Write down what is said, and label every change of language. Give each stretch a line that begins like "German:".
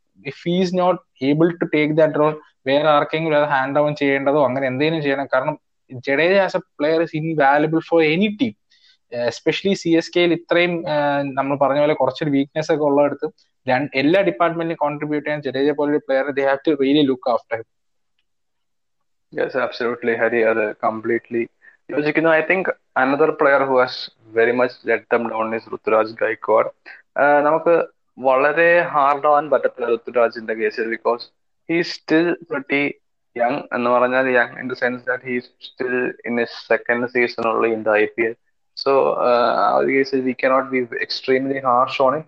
English: if he is not able to take that role,
Malayalam: വേറെ ആർക്കെങ്കിലും അത് ഹാൻഡ് ഓവർ ചെയ്യേണ്ടതോ അങ്ങനെ എന്തെങ്കിലും ചെയ്യണം. കാരണം Jadeja
English: as a player is invaluable for any team,
Malayalam: especially C S കെയിൽ ഇത്രയും നമ്മൾ പറഞ്ഞ പോലെ കുറച്ചൊരു വീക്ക്നെസ് ഒക്കെ ഉള്ളിടത്ത് എല്ലാ ഡിപ്പാർട്ട്മെന്റിനും കോൺട്രിബ്യൂട്ട് ചെയ്യാൻ ജഡേജ പോലെ ഒരു player
English: They have to really look after him. Yes, absolutely, Harry. Are completely. Because, you know, I think another player who has very much let them down is Ruturaj Gaikwad.
Malayalam: നമുക്ക് വളരെ hard ആവാൻ പറ്റത്തില്ല ഋതുരാജിന്റെ കേസിൽ,
English: because he still pretty young
Malayalam: എന്ന് പറഞ്ഞാൽ
English: young in the sense that he still in his second season
Malayalam: ഉള്ള in the I P L.
English: so
Malayalam: ആ ഒരു കേസിൽ
English: We cannot be extremely harsh on him.